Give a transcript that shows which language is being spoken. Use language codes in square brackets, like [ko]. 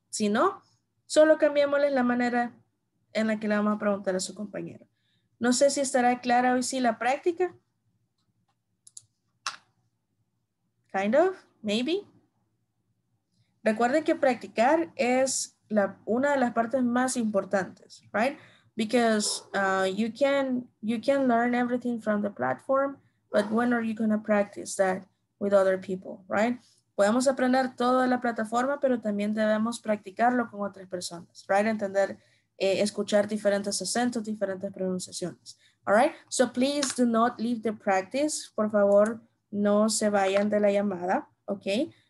[es] Si no, solo cambiémosles la manera en la que le vamos a preguntar a su compañero. No sé si estará clara hoy sí la práctica. [en] Kind of, maybe. [es] Recuerden que practicar es una de las partes más importantes, right? [en] Because you can learn everything from the platform, but when are you going to practice that with other people, right? [es] Podemos aprender todo de la plataforma, pero también debemos practicarlo con otras personas, right? Entender, escuchar diferentes acentos, diferentes pronunciaciones, all right? [en] So please do not leave the practice. [es] Por favor, no se vayan de la llamada, [en] okay?